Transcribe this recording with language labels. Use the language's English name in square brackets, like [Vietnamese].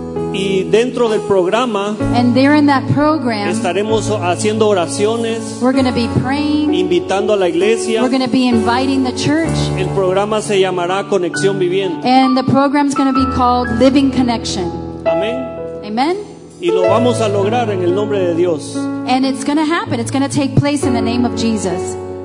[Spanish] Y dentro del programa, [English] and there in that program, [Spanish] estaremos haciendo oraciones. [English] We're going to be praying. [Spanish] Invitando a la iglesia. [English] We're going to be inviting the church. [Spanish] El programa se llamará Conexión Viviente. [English] And the program's going to be called Living Connection. [Spanish] Amén. [English] Amen. [Spanish] Y lo vamos a lograr en el nombre de Dios. [English] And it's going to happen. It's going to take place in the name of Jesus.